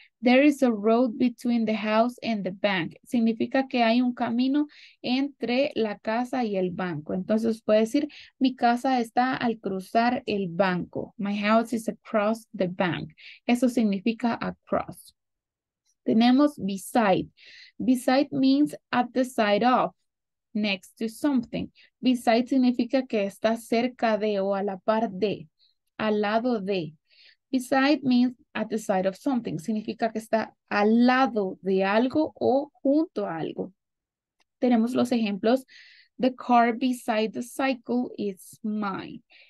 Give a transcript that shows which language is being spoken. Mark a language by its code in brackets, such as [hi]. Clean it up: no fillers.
[en] There is a road between the house and the bank. [es] Significa que hay un camino entre la casa y el banco. Entonces puede decir, mi casa está al cruzar el banco. [en] My house is across the bank. [es] Eso significa across. Tenemos beside. [en] Beside means at the side of, next to something. [es] Beside significa que está cerca de o a la par de, al lado de. [en] Beside means at the side of something. [es] Significa que está al lado de algo o junto a algo. Tenemos los ejemplos. [en] The car beside the cycle is mine.